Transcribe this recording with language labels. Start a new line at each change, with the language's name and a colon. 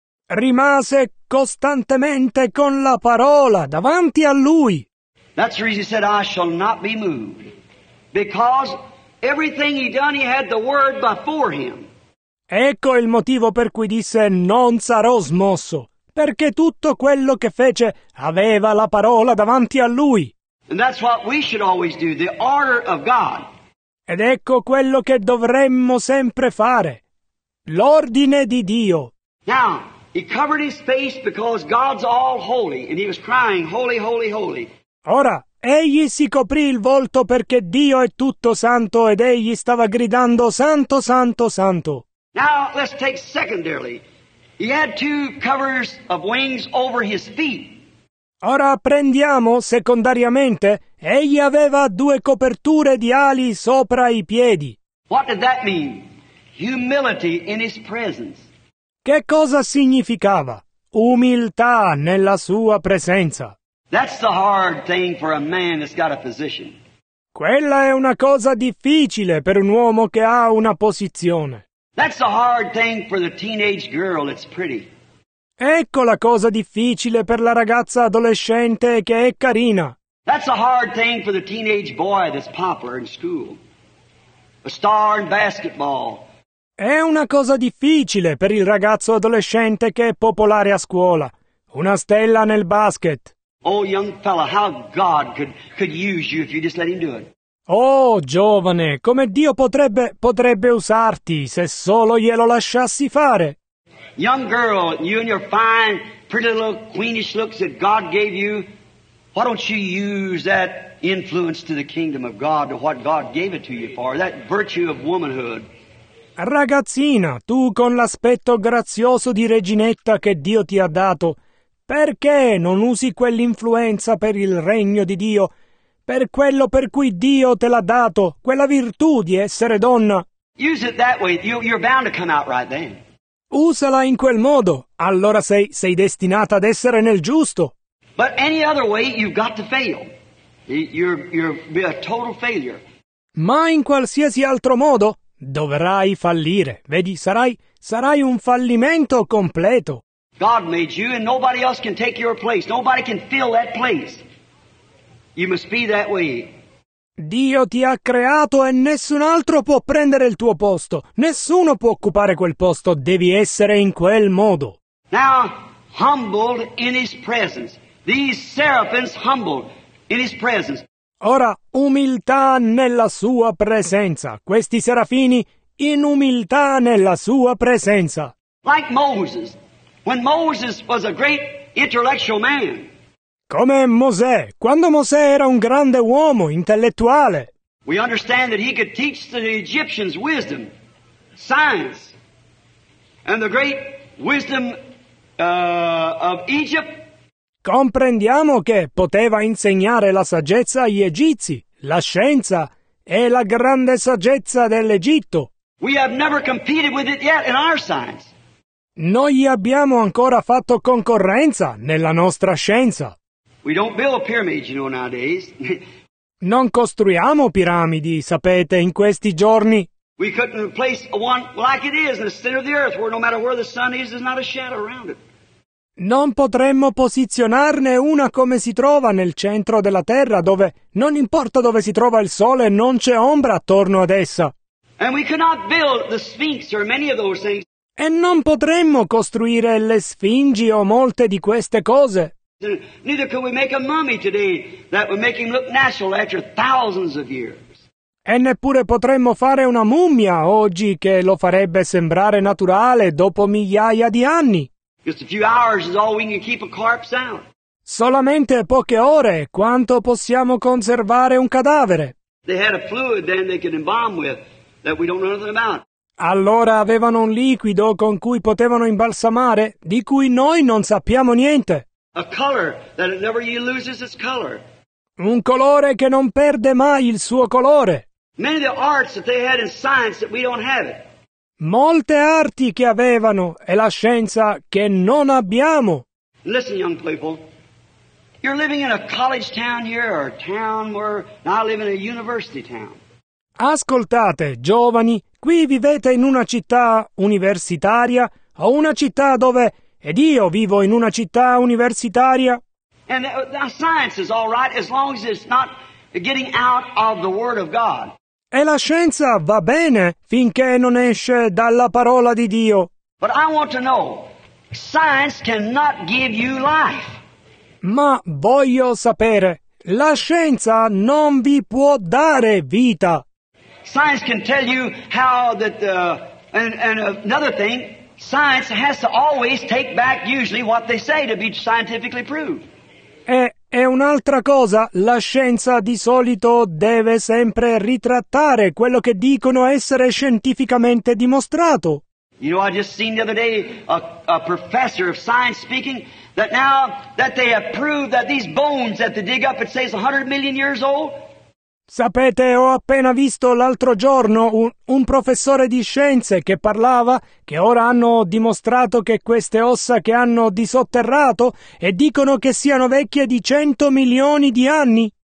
Italian: Rimase costantemente con la parola davanti a lui.
English: That's the reason he said, "I shall not be moved," because everything he done, he had the word before him.
Italian: Ecco il motivo per cui disse, "Non sarò smosso," perché tutto quello che fece aveva la parola davanti a lui.
English: And that's what we should always do, the order of God.
Italian: Ed ecco quello che dovremmo sempre fare, l'ordine di Dio.
English: Now, he covered his face because God's all holy, and he was crying, "Holy, holy, holy."
Italian: Ora, egli si coprì il volto perché Dio è tutto santo ed egli stava gridando santo, santo, santo.
English: Now, let's take secondarily. He had two covers of wings over his feet.
Italian: Ora, prendiamo secondariamente. Egli aveva due coperture di ali sopra i piedi.
English: What did that mean? Humility in his presence.
Italian: Che cosa significava? Umiltà nella sua presenza.
English: That's the hard thing for a man that's got a position.
Italian: Quella è una cosa difficile per un uomo che ha una posizione.
English: That's the hard thing for the teenage girl that's pretty.
Italian: Ecco la cosa difficile per la ragazza adolescente che è carina.
English: That's the hard thing for the teenage boy that's popular in school. A star in basketball.
Italian: È una cosa difficile per il ragazzo adolescente che è popolare a scuola. Una stella nel basket.
English: Oh, young fella, how God could use you if you just let him do it.
Italian: Oh, giovane, come Dio potrebbe usarti se solo glielo lasciassi fare.
English: Young girl, you and your fine, pretty little queenish looks that God gave you, why don't you use that influence to the kingdom of God, to what God gave it to you for, that virtue of womanhood.
Italian: Ragazzina, tu con l'aspetto grazioso di reginetta che Dio ti ha dato, perché non usi quell'influenza per il regno di Dio, per quello per cui Dio te l'ha dato, quella virtù di essere donna?
English: Use it that way, you're bound to come out right then.
Italian: Usala in quel modo, allora sei destinata ad essere nel giusto.
English: But any other way, you've got to fail. You'll be a total failure.
Italian: Ma in qualsiasi altro modo, dovrai fallire. Vedi, sarai un fallimento completo.
English: God made you and nobody else can take your place. Nobody can fill that place. You must be that way.
Italian: Dio ti ha creato e nessun altro può prendere il tuo posto. Nessuno può occupare quel posto. Devi essere in quel modo.
English: Now, humbled in his presence. These seraphims humbled in his presence.
Italian: Ora, umiltà nella sua presenza. Questi serafini in umiltà nella sua presenza.
English: Like Moses. When Moses was a great intellectual man.
Italian: Come Mosè, quando Mosè era un grande uomo intellettuale.
English: We understand that he could teach the Egyptians wisdom, science, and the great wisdom of Egypt.
Italian: Comprendiamo che poteva insegnare la saggezza agli egizi, la scienza e la grande saggezza dell'Egitto.
English: We have never competed with it yet in our science.
Italian: Non gli abbiamo ancora fatto concorrenza nella nostra scienza.
English: We don't build pyramids, you know, nowadays.
Italian: Non costruiamo piramidi, sapete, in questi giorni.
English: We couldn't replace one like it is in the center of the earth, where no matter where the sun is, there's not a shadow around it.
Italian: Non potremmo posizionarne una come si trova nel centro della terra, dove non importa dove si trova il sole, non c'è ombra attorno ad essa.
English: And we cannot build the Sphinx or many of those things.
Italian: E non potremmo costruire le sfingi o molte di queste cose.
English: Neither could we make a mummy today that would make him look natural after thousands of years.
Italian: E neppure potremmo fare una mummia oggi che lo farebbe sembrare naturale dopo migliaia di anni.
English: Just a few hours is all we can keep a corpse out.
Italian: Solamente poche ore, quanto possiamo conservare un cadavere?
English: They had a fluid then they could embalm with that we don't know nothing about.
Italian: Allora avevano un liquido con cui potevano imbalsamare, di cui noi non sappiamo niente.
English: A color that it never loses its color.
Italian: Un colore che non perde mai il suo colore.
English: Many of the arts that they had in science that we don't have it.
Italian: Molte arti che avevano e la scienza che non abbiamo.
English: Listen, young people, you're living in a college town here, or a town where I live in a university town.
Italian: Ascoltate, giovani, qui vivete in una città universitaria o una città dove, ed io vivo in una città universitaria.
English: And the science is all right as long as it's not getting out of the Word of God.
Italian: E la scienza va bene finché non esce dalla parola di Dio.
English: But I want to know, science cannot give you life.
Italian: Ma voglio sapere, la scienza non vi può dare vita.
English: Science can tell you how that and another thing, science has to always take back usually what they say to be scientifically proved.
Italian: E un'altra cosa, la scienza di solito deve sempre ritrattare quello che dicono essere scientificamente dimostrato.
English: You know, I just seen the other day a professor of science speaking that now that they have proved that these bones that they dig up it says 100 million years old.
Italian: Sapete, ho appena visto l'altro giorno un professore di scienze che parlava che ora hanno dimostrato che queste ossa che hanno disotterrato e dicono che siano vecchie di 100 milioni di anni.